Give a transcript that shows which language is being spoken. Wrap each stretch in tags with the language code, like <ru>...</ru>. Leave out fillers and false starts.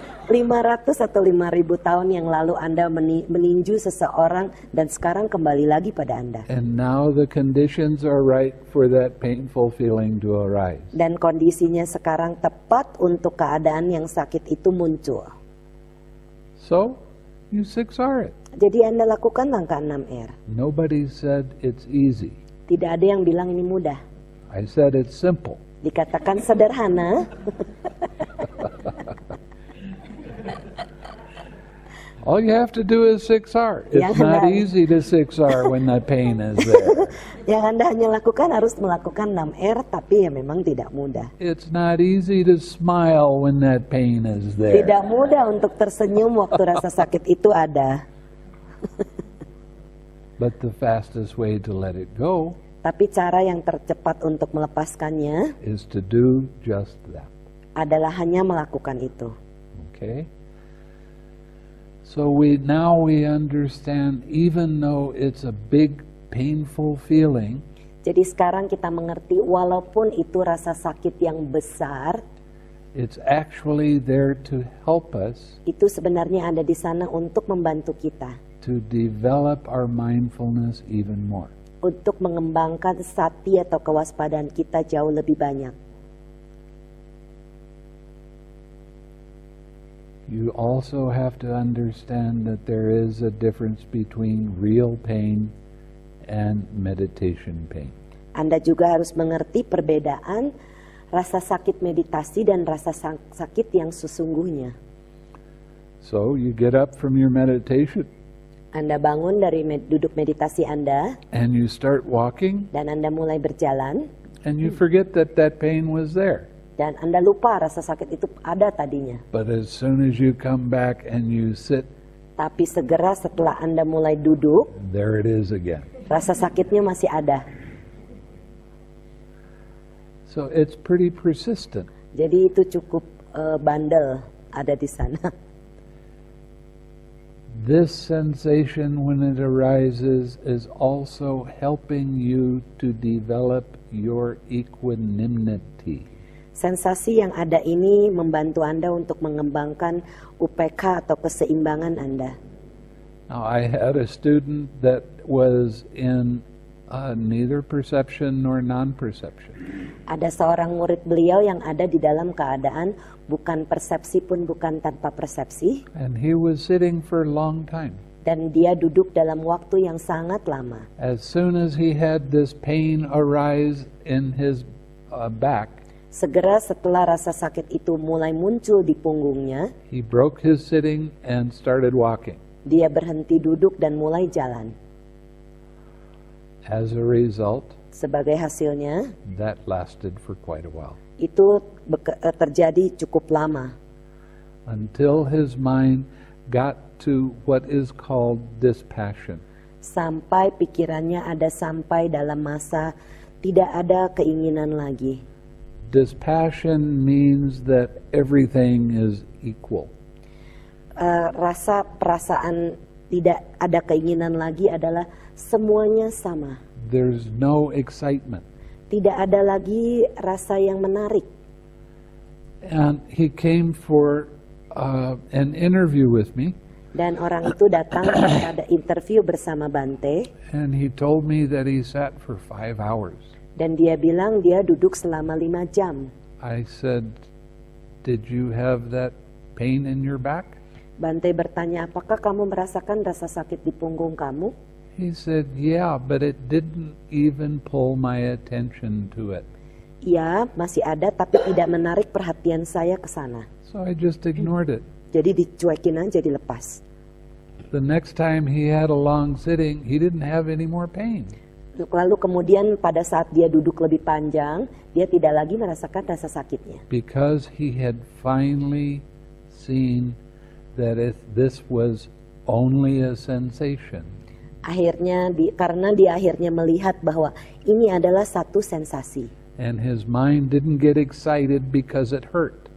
<id>500 atau 5000 tahun yang lalu Anda meninju seseorang dan sekarang kembali lagi pada Anda.</id> <en>And now the conditions are right for that painful feeling to arise.</en> <id>Dan kondisinya sekarang tepat untuk keadaan yang sakit itu muncul.</id> <en>So, you 6R it.</en> <id>Jadi Anda lakukan langkah 6R.</id> <en>Nobody said it's easy.</en> <id>Tidak ada yang bilang ini mudah.</id> <en>I said it's simple.</en> <id>Dikatakan sederhana.</id> <en>All you have to do is 6R. It's not easy to 6R when the pain is there.</en> <id>Yang Anda hanya lakukan harus melakukan 6R, tapi ya memang tidak mudah.</id> <en>It's not easy to smile when that pain is there.</en> <id>Tidak mudah untuk tersenyum waktu rasa sakit itu ada.</id> <en>But the fastest way to let it go.</en> <id>Tapi cara yang tercepat untuk melepaskannya</id> <en>is to do just that.</en> <id>Adalah hanya melakukan itu.</id> <en>Okay. So we understand even though it's a big painful feeling.</en> <id>Jadi sekarang kita mengerti walaupun itu rasa sakit yang besar.</id> <en>It's actually there to help us.</en> <id>Itu sebenarnya ada di sana untuk membantu kita.</id> <en>To develop our mindfulness even more.</en> <id>Untuk mengembangkan sati atau kewaspadaan kita jauh lebih banyak.</id> <en>You also have to understand that there is a difference between real pain and meditation pain.</en> <id>Anda juga harus mengerti perbedaan rasa sakit meditasi dan rasa sakit yang sesungguhnya.</id> <en>So you get up from your meditation.</en> <id>Anda bangun dari duduk meditasi Anda.</id> <en>And you start walking.</en> <id>Dan Anda mulai berjalan.</id> <en>And you forget that pain was there.</en> <id>Dan Anda lupa rasa sakit itu ada tadinya.</id> <en>But as soon as you come back and you sit,</en> <id>tapi segera setelah Anda mulai duduk,</id> <en>there it is again.</en> <id>Rasa sakitnya masih ada.</id> <en>So it's pretty persistent.</en> <id>Jadi itu cukup bandel ada di sana.</id> <en>This sensation when it arises is also helping you to develop your equanimity.</en> <id>Sensasi yang ada ini membantu Anda untuk mengembangkan UPK atau keseimbangan Anda.</id> <en>Now, I had a student that was in neither perception nor non-perception.</en> <id>Ada seorang murid beliau yang ada di dalam keadaan bukan persepsi pun bukan tanpa persepsi.</id> <en>And he was sitting for a long time.</en> <id>Dan dia duduk dalam waktu yang sangat lama.</id> <en>As soon as he had this pain arise in his back,</en> <id>segera setelah rasa sakit itu mulai muncul di punggungnya,</id> <en>he broke his sitting and started walking.</en> <id>Dia berhenti duduk dan mulai jalan.</id> <en>As a result,</en> <id>sebagai hasilnya,</id> <en>that lasted for quite a while.</en> <id>Itu terjadi cukup lama.</id> <en>Until his mind got to what is called dispassion.</en> <id>Sampai pikirannya ada sampai dalam masa tidak ada keinginan lagi.</id> <en>Dispassion means that everything is equal.</en> <id>Rasa perasaan tidak ada keinginan lagi adalah semuanya sama.</id> <en>There's no excitement.</en> <id>Tidak ada lagi rasa yang menarik.</id> <en>And he came for an interview with me.</en> <id>Dan orang itu datang pada interview bersama Bante.</id> <en>And he told me that he sat for 5 hours.</en> <id>Dan dia bilang dia duduk selama 5 jam.</id> <en>I said, "Did you have that pain in your back?"</en> <id>Bante bertanya, "Apakah kamu merasakan rasa sakit di punggung kamu?"</id> <en>He said, "Yeah, but it didn't even pull my attention to it."</en> <id>Ya, masih ada tapi tidak menarik perhatian saya ke sana.</id> <en>So I just ignored it.</en> <id>Jadi dicuekin aja, dilepas.</id> <en>The next time he had a long sitting, he didn't have any more pain.</en> <id>Lalu kemudian pada saat dia duduk lebih panjang, dia tidak lagi merasakan rasa sakitnya.</id> <en>Because he had finally seen that if this was only a sensation.</en> <id>Akhirnya karena dia akhirnya melihat bahwa ini adalah satu sensasi.</id> <en>And his mind didn't get excited because it hurt.</en>